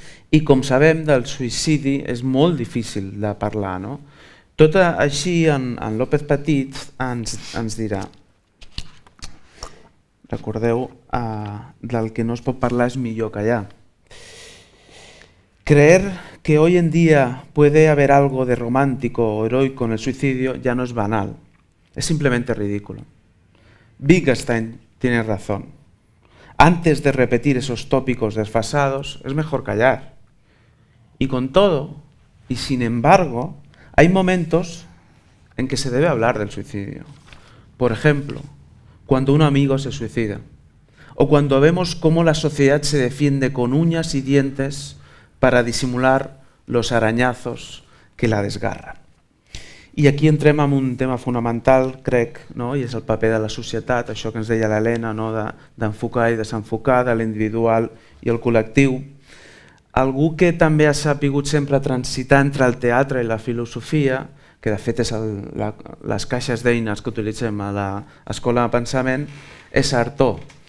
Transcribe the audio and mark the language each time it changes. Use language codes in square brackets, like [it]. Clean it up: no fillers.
[ca] I com sabem, del suïcidi és molt difícil de parlar, no? Tot així, en López Petit ens dirà, recordeu, del que no es pot parlar és millor callar. [es] Creer que hoy en día puede haber algo de romántico o heroico en el suicidio ya no es banal, es simplemente ridículo. Wittgenstein tiene razón. Antes de repetir esos tópicos desfasados, es mejor callar. Y con todo, y sin embargo, hay momentos en que se debe hablar del suicidio. Por ejemplo, cuando un amigo se suicida, o cuando vemos cómo la sociedad se defiende con uñas y dientes para disimular los arañazos que la desgarran. [ca] I aquí entrem en un tema fonamental, crec, no? I és el paper de la societat, això que ens deia l'Helena, no? D'enfocar i desenfocar, de l'individual i el col·lectiu. Algú que també ha sabut sempre transitar entre el teatre i la filosofia, que de fet és les caixes d'eines que utilitzem a l'Escola de Pensament, és Artaud.